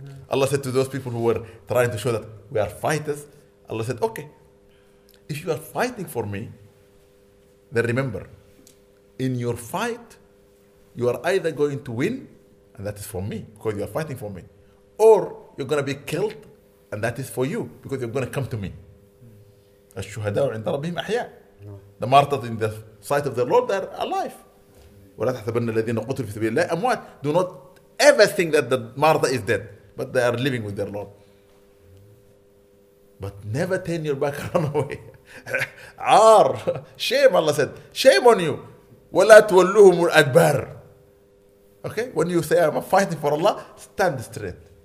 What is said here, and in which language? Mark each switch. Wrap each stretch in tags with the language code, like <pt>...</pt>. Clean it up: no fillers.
<en>Allah said to those people who were trying to show that we are fighters, Allah said, okay, if you are fighting for me, then remember, in your fight, you are either going to win and that is for me because you are fighting for me. Or you're going to be killed and that is for you because you're going to come to me.</en> <ar>الشهداء عند ربهم أحياء.</ar> <en>The martyrs in the sight of the Lord are alive.</en> <ar>ولا تحسبن الذين قتلوا في سبيل الله أموات.</ar> <en>Do not ever think that the martyr is dead, but they are living with their Lord. But never turn your back on away. عار. Shame, Allah said. Shame on you.</en> <ar>ولا تولهم الأدبار. Okay?</ar> <en>When you say I'm fighting for Allah, stand straight.</en>